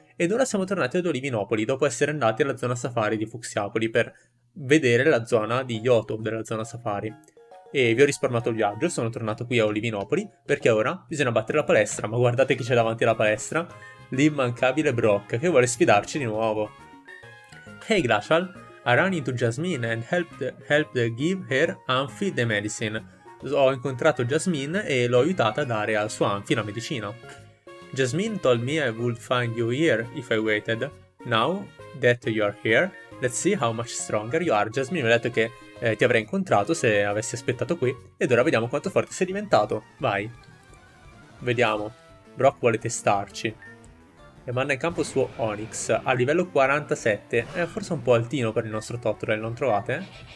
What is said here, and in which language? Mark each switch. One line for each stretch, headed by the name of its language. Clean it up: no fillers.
Italian: Ed ora siamo tornati ad Olivinopoli, dopo essere andati alla zona safari di Fuxiapoli per vedere la zona di Johto, della zona safari. E vi ho risparmiato il viaggio, sono tornato qui a Olivinopoli, perché ora bisogna battere la palestra, ma guardate chi c'è davanti alla palestra, l'immancabile Brock, che vuole sfidarci di nuovo.
English: Hey Glacial! I ran into Jasmine and helped give her Amphi the medicine.
Italian: Ho incontrato Jasmine e l'ho aiutata a dare al suo Amphi la medicina.
English: Jasmine told me I would find you here if I waited. Now that you are here, let's see how much stronger you are.
Italian: Jasmine mi ha detto che ti avrei incontrato se avessi aspettato qui, ed ora vediamo quanto forte sei diventato. Vai. Vediamo. Brock vuole testarci. E manda in campo il suo Onix, a livello 47, è forse un po' altino per il nostro Totodile, non trovate?